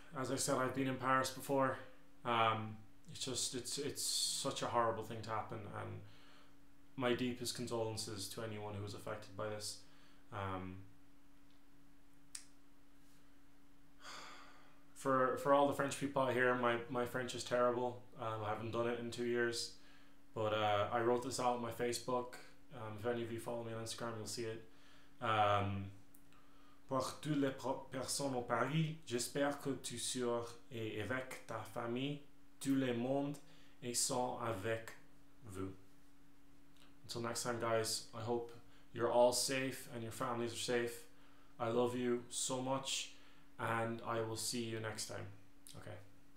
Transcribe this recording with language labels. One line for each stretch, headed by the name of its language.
English: As I said, I've been in Paris before. It's such a horrible thing to happen, and my deepest condolences to anyone who was affected by this. For all the French people out here, my French is terrible. I haven't done it in 2 years, but I wrote this out on my Facebook. If any of you follow me on Instagram, you'll see it.
French: Pour toutes les personnes au Paris, j'espère que tu seras avec ta famille, tout le monde et sont avec vous.
English: Until next time, guys, I hope you're all safe and your families are safe. I love you so much, and I will see you next time. Okay.